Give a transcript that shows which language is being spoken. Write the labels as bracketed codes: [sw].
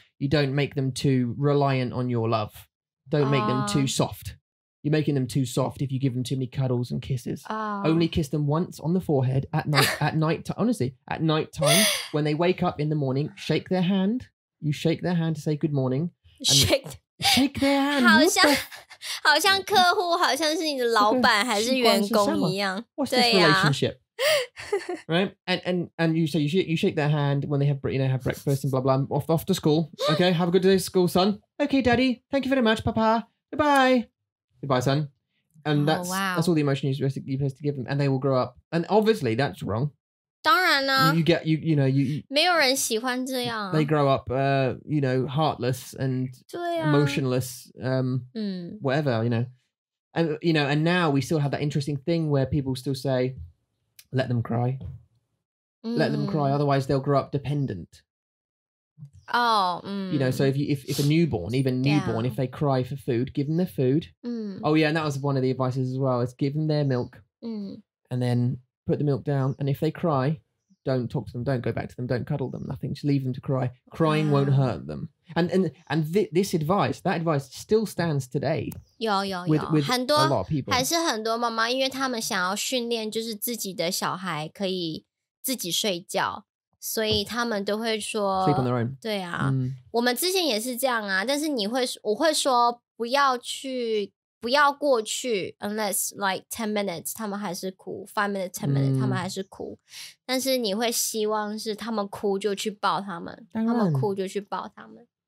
[en] You don't make them too reliant on your love. Don't make them too soft. You're making them too soft if you give them too many cuddles and kisses. Oh. Only kiss them once on the forehead at night, honestly, at night time, when they wake up in the morning, shake their hand. You shake their hand to say good morning. Shake their hand. [zh] 好像客户好像是你的老板还是员工一样. [en] What's this relationship? Right? And you shake their hand when they have breakfast and blah blah. Off to school. Okay, have a good day to school, son. Okay, daddy. Thank you very much, papa. Goodbye. Goodbye, son. And that's all the emotion you're supposed to give them. And they will grow up. And obviously that's wrong. [zh] 当然呢 [en] you get you you know you, you [zh] 没有人喜欢这样 [en] they grow up you know heartless and [zh] 对啊 [en] emotionless whatever you know and you know and now we still have that interesting thing where people still say let them cry、mm. let them cry otherwise they'll grow up dependent oh、mm. you know so if you if a newborn even newborn、yeah. if they cry for food give them their food、mm. oh yeah and that was one of the advices as well is give them their milk、mm. and thenPut the milk down, and if they cry, don't talk to them, don't go back to them, don't cuddle them, nothing. Just leave them to cry. Crying、yeah. won't hurt them. And this advice, that advice still stands today. [zh] 有有有 [en] with [zh] 很多 [en] a lot of people. [zh] 还是很多妈妈，因为他们想要训练就是自己的小孩可以自己睡觉，所以他们都会说 [en] sleep on their own. [zh] 对啊、mm. 我们之前也是这样啊，但是你会我会说不要去。不要过去 [en] unless like 10 minutes [zh] 他们还是哭 [en] 5 minutes 10 minutes、 [zh] mm. 他们还是哭但是你会希望是他们哭就去抱他们他们哭就去抱他们